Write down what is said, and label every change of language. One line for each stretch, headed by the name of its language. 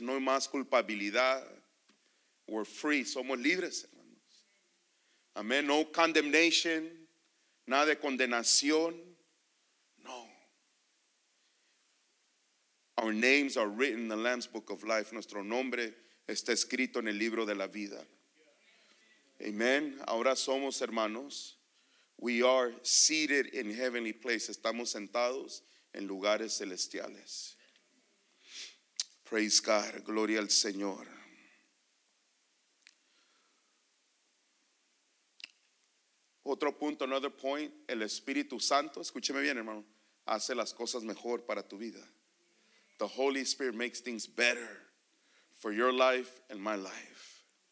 Spanish: No más culpabilidad.
English: We're free.
Spanish: Somos libres, hermanos. Amen.
English: No condemnation.
Spanish: Nada de condenación. No.
English: Our names are written in the Lamb's Book of Life.
Spanish: Nuestro nombre está escrito en el libro de la vida.
English: Amen.
Spanish: Ahora somos hermanos.
English: We are seated in heavenly places.
Spanish: Estamos sentados en lugares celestiales.
English: Praise God.
Spanish: Gloria al Señor. Otro punto,
English: another point.
Spanish: El Espíritu Santo, escúcheme bien, hermano, hace las cosas mejor para tu vida.
English: The Holy Spirit makes things better for your life and my life.